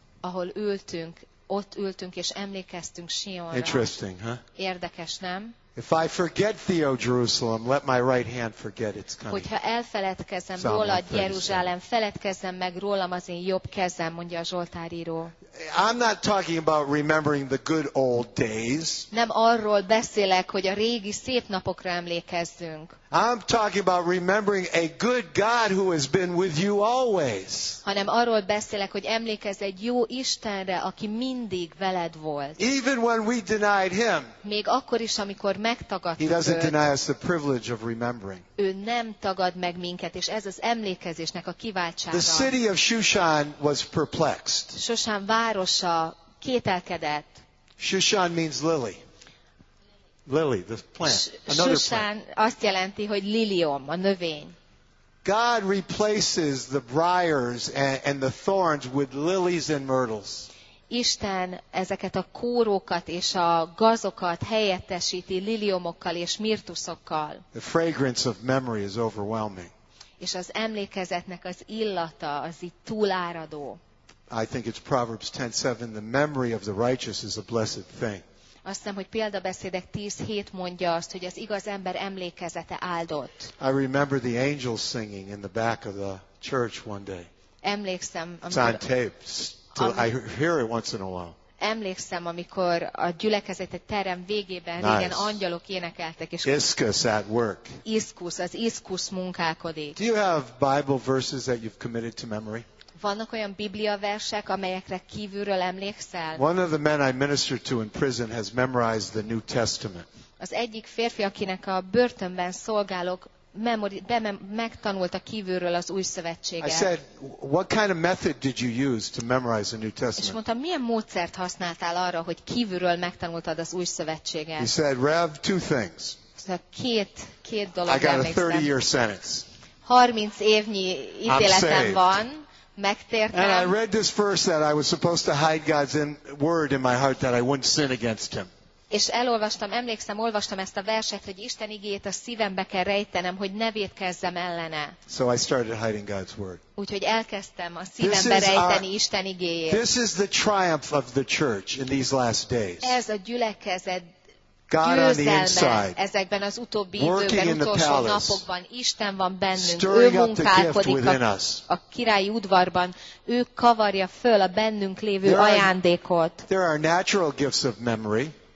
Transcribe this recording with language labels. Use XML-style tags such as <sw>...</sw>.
<hu>Ahol ültünk, ott ültünk és emlékeztünk Sionra.</hu> <en>Interesting, huh?</en> <hu>Érdekes, nem?</hu> <en>If I forget thee, O Jerusalem, let my right hand forget its cunning.</en> <hu>Hogyha elfeledkezem rólad, Jeruzsálem, feledkezzem meg rólam az én jobb kezem, mondja a Zsoltár író.</hu> <en>I'm not talking about remembering the good old days.</en> <hu>Nem arról beszélek, hogy a régi szép napokra emlékezzünk.</hu> <en>I'm talking about remembering a good God who has been with you always.</en> <hu>Hanem arról beszélek, hogy emlékezz egy jó Istenre, aki mindig veled volt.</hu> <en>Even when we denied him.</en> <hu>Még akkor is, amikor megtagadtuk.</hu> <en>He doesn't deny us the privilege of remembering.</en> <hu>Ő nem tagad meg minket, és ez az emlékezésnek a kiváltsága.</hu> <en>The city of Shushan was perplexed.</en> <hu>Shushan városa kételkedett.</hu> <en>Shushan means lily. Lily, the plant. Another Shushan plant.</en> <hu>Azt jelenti, hogy lilium, a növény.</hu> <en>God replaces the briars and the thorns with lilies and myrtles.</en> <hu>Isten ezeket a kórokat és a gazokat helyettesíti liliumokkal és mirtuszokkal.</hu> <en>The fragrance of memory is overwhelming.</en> <hu>És az emlékezetnek az illata az itt túláradó.</hu> <en>I think it's Proverbs 10:7, the memory of the righteous is a blessed thing.</en> <hu>Azt hiszem, hogy Példabeszédek 10:7 mondja azt, hogy az igaz ember emlékezete áldott.</hu> <en>I remember the angels singing in the back of the church one day.</en> <hu>Emlékszem, amikor,</hu> <en>it's on tape. I hear it once in a while.</en> <hu>Emlékszem, amikor a gyülekezet egy terem végében</hu> <en>nice.</en> <hu>Régen angyalok énekeltek és</hu> <en>Iscus at work.</en> <hu>Iscus, az Iscus munkálkodik.</hu> <en>Do you have Bible verses that you've committed to memory?</en> <hu>Vannak olyan Biblia versek, amelyekre kívülről emlékszel?</hu> <en>One of the men I ministered to in prison has memorized the New Testament.</en> <hu>Az egyik férfi, akinek a börtönben szolgálok, megtanulta kívülről az Új Szövetséget.</hu> <en>I said, what kind of method did you use to memorize the New Testament?</en> <hu>És mondtam, milyen módszert használtál arra, hogy kívülről megtanultad az Új Szövetséget?</hu> <en>He said, Rev, two things.</en> <hu>Két dolog emlékszem.</hu> <en>I got a 30-year sentence.</en> <hu>30 évnyi ítéletem van. Megtértem.</hu> <en>And I read this verse that I was supposed to hide God's word in my heart that I wouldn't sin against him.</en> <hu>És elolvastam, emlékszem, olvastam ezt a verset, hogy Isten igéjét a szívembe kell rejtenem, hogy ne vétkezzem ellene.</hu> <en>So I started hiding God's word.</en> <hu>Úgyhogy elkezdtem a szívembe rejteni Isten igéjét.</hu> <en>This is the triumph of the church in these last days.</en> <hu>Ez a gyülekezet győzelme ezekben az utóbbi időben, utolsó napokban. Isten van bennünk, ő munkálkodik a királyi udvarban. Ő kavarja föl a bennünk lévő ajándékot.</hu> <en>There are natural gifts of memory.</en>